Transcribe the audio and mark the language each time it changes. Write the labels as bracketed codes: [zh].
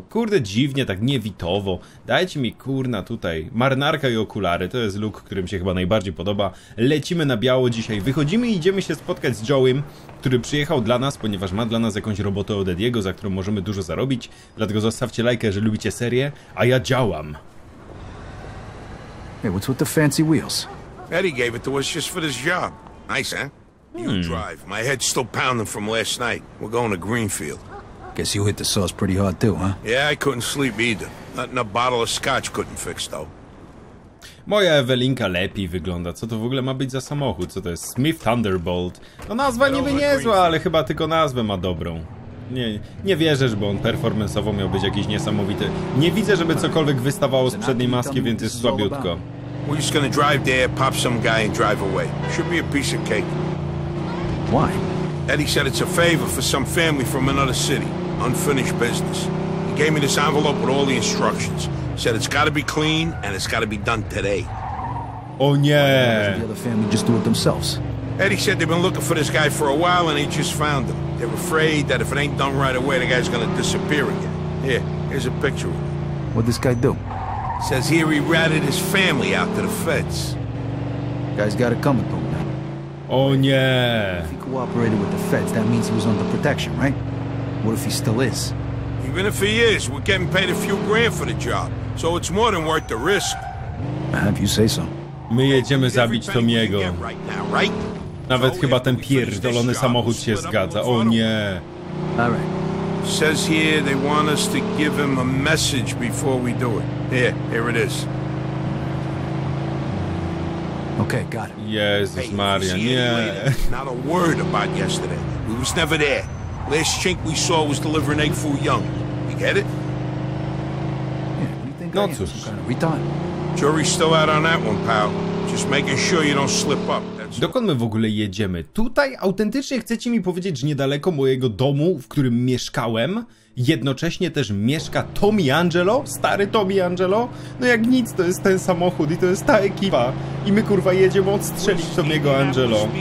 [pl] Kurde, dziwnie, tak niewitowo. Dajcie mi, kurna, tutaj marynarka i okulary, to jest look, którym się chyba najbardziej podoba. Lecimy na biało dzisiaj, wychodzimy i idziemy się spotkać z Joe'em, który przyjechał dla nas, ponieważ ma dla nas jakąś robotę od Ediego, za którą możemy dużo zarobić. Dlatego zostawcie lajkę, jeżeli lubicie serię, a ja działam. [en] Hey, what's with the fancy wheels? Eddie gave it to us just for this job. Nice, huh? You drive. My head's still pounding from last night. We're going to Greenfield. Guess you hit the sauce pretty hard too, huh? Yeah, I couldn't sleep either. Nothing a bottle of scotch couldn't fix, though. [pl] Moja Ewelinka lepiej wygląda. Co to w ogóle ma być za samochód? Co to jest? Smith Thunderbolt. No nazwa niby niezła, ale chyba tylko nazwę ma dobrą. Nie wierzysz, bo on performance'owo miał być jakiś niesamowity. Nie widzę, żeby cokolwiek wystawało z przedniej maski, więc jest słabiutko. [en] We're just gonna drive there, pop some guy, and drive away. Should be a piece of cake. Why? Eddie said it's a favor for some family from another city. Unfinished business. He gave me this envelope with all the instructions. Said it's gotta be clean, and it's gotta be done today. Oh, yeah. Why doesn't the other family just do it themselves? Eddie said they've been looking for this guy for a while, and they just found him. They're afraid that if it ain't done right away, the guy's gonna disappear again. Here, here's a picture of him. What'd this guy do? Says here he ratted his family out to the feds. Guy's got it coming to him now. Oh, yeah. If he cooperated with the feds, that means he was under protection, right? What if he still is? Even if he is, we're getting paid a few grand for the job. So it's more than worth the risk. If you say so. [pl] My jedziemy zabić Tomiego. Nawet chyba ten pierdolony samochód się zgadza. [en] Oh, yeah. All right. Says here they want us to give him a message before we do it. Here, here it is. Okay, got it. [pl] Jezus Maria, [en] hey, yeah. Not a word about yesterday. We was never there. Last chink we saw was delivering egg foo young. You get it? Yeah, what do you think I am? Some kind of retard? Jury's still out on that one, pal. Just making sure you don't slip up. [pl] Dokąd my w ogóle jedziemy? Tutaj autentycznie chcecie mi powiedzieć, że niedaleko mojego domu, w którym mieszkałem, jednocześnie też mieszka Tommy Angelo, stary Tommy Angelo? No jak nic, to jest ten samochód i to jest ta ekipa. I my kurwa jedziemy odstrzelić Tommy'ego Angelo.